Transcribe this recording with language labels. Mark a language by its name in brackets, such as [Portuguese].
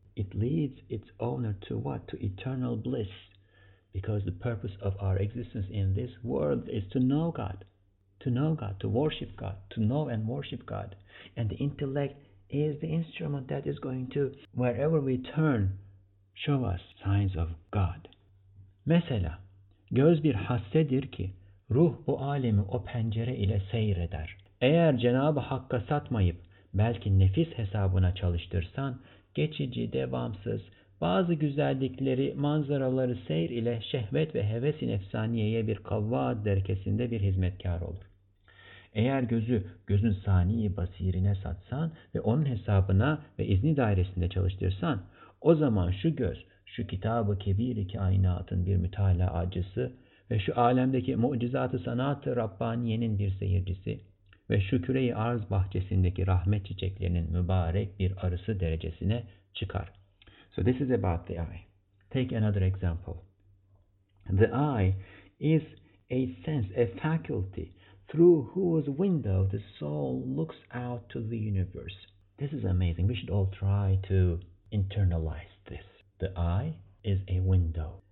[English] It leads its owner to what? To eternal bliss. Because the purpose of our existence in this world is to know God. To know God, to worship God, to know and worship God. And the intellect is the instrument that is going to, wherever we turn, show us signs of God. [Turkish] Mesela, göz bir hassedir ki, ruh bu alemi o pencere ile seyreder. Eğer Cenab-ı Hakk'a satmayıp, belki nefis hesabına çalıştırsan, geçici, devamsız, bazı güzellikleri, manzaraları seyr ile şehvet ve heves-i nefsaniyeye bir kavvaat derkesinde bir hizmetkar olur. Eğer gözü, gözün saniye basirine satsan ve onun hesabına ve izni dairesinde çalıştırsan, o zaman şu göz, şu kitab-ı kebir-i kainatın bir mütalaacısı ve şu alemdeki mucizat-ı sanat-ı Rabbaniye'nin bir seyircisi ve şu küre-i arz bahçesindeki rahmet çiçeklerinin mübarek bir arısı derecesine çıkar. [English] So this is about the eye. Take another example. The eye is a sense, a faculty, through whose window the soul looks out to the universe. This is amazing. We should all try to internalize this. The eye is a window.